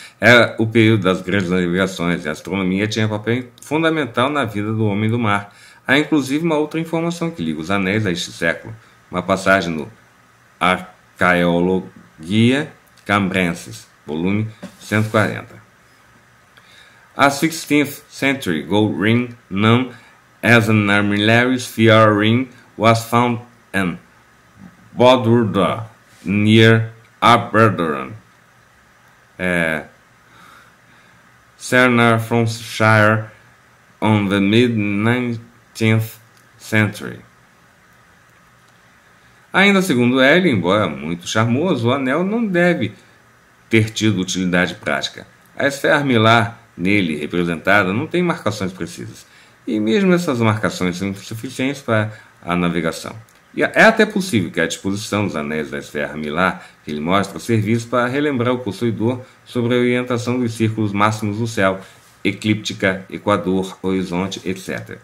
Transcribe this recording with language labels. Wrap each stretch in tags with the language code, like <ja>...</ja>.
<pt>Era o período das grandes navegações, e a astronomia tinha papel fundamental na vida do homem do mar. Há inclusive uma outra informação que liga os anéis a este século, uma passagem no Archaeologia Cambrensis, volume 140.</pt> <en>A 16th century gold ring known as an armillary sphere ring was found in Bodruda, near Aberdaron, Cernarfonshire, on the mid-19th century.</en> <pt>Ainda segundo ele, embora muito charmoso, o anel não deve ter tido utilidade prática. A esfera armilar nele representada não tem marcações precisas. E mesmo essas marcações são suficientes para a navegação. E é até possível que a disposição dos anéis da esfera milar que ele mostra serviço para relembrar o possuidor sobre a orientação dos círculos máximos do céu, eclíptica, equador, horizonte, etc.</pt>